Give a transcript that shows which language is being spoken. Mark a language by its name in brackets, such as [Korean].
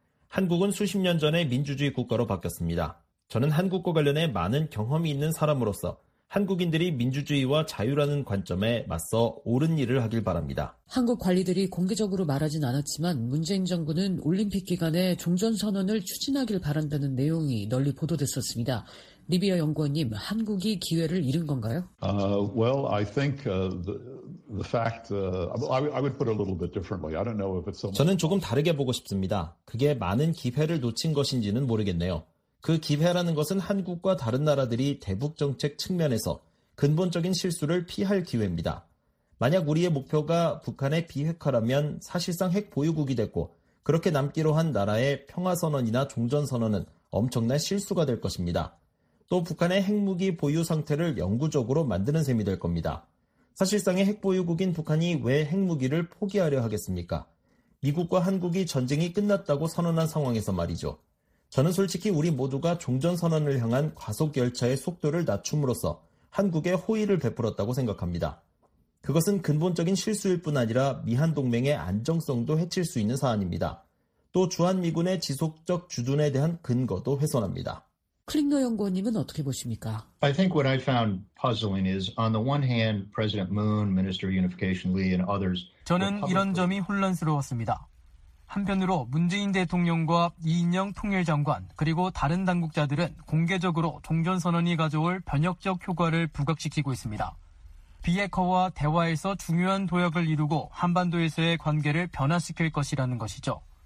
[Korean] 한국은 수십 년 전에 민주주의 국가로 바뀌었습니다. 저는 한국과 관련해 많은 경험이 있는 사람으로서 한국인들이 민주주의와 자유라는 관점에 맞서 옳은 일을 하길 바랍니다. 한국 관리들이 공개적으로 말하진 않았지만 문재인 정부는 올림픽 기간에 종전선언을 추진하길 바란다는 내용이 널리 보도됐었습니다. 리비아 연구원님, 한국이 기회를 잃은 건가요? [English] Well, I think the fact I would put a little bit differently. I don't know if it's so. [Korean] 저는 조금 다르게 보고 싶습니다. 그게 많은 기회를 놓친 것인지는 모르겠네요. 그 기회라는 것은 한국과 다른 나라들이 대북 정책 측면에서 근본적인 실수를 피할 기회입니다. 만약 우리의 목표가 북한의 비핵화라면 사실상 핵 보유국이 됐고 그렇게 남기로 한 나라의 평화 선언이나 종전 선언은 엄청난 실수가 될 것입니다. 또 북한의 핵무기 보유 상태를 영구적으로 만드는 셈이 될 겁니다. 사실상의 핵보유국인 북한이 왜 핵무기를 포기하려 하겠습니까? 미국과 한국이 전쟁이 끝났다고 선언한 상황에서 말이죠. 저는 솔직히 우리 모두가 종전선언을 향한 과속열차의 속도를 낮춤으로써 한국에 호의를 베풀었다고 생각합니다. 그것은 근본적인 실수일 뿐 아니라 미한 동맹의 안정성도 해칠 수 있는 사안입니다. 또 주한미군의 지속적 주둔에 대한 근거도 훼손합니다. 클릭너 연구원님은 어떻게 보십니까? [English] I think what I found puzzling is on the one hand, President Moon, Minister of Unification Lee and others. [Korean] 저는 이런 점이 혼란스러웠습니다. 한편으로 문재인 대통령과 이인영 통일장관 그리고 다른 당국자들은 공개적으로 종전선언이 가져올 변혁적 효과를 부각시키고 있습니다. 비핵화와 대화에서 중요한 도약을 이루고 한반도에서의 관계를 변화시킬 것이라는 것이죠.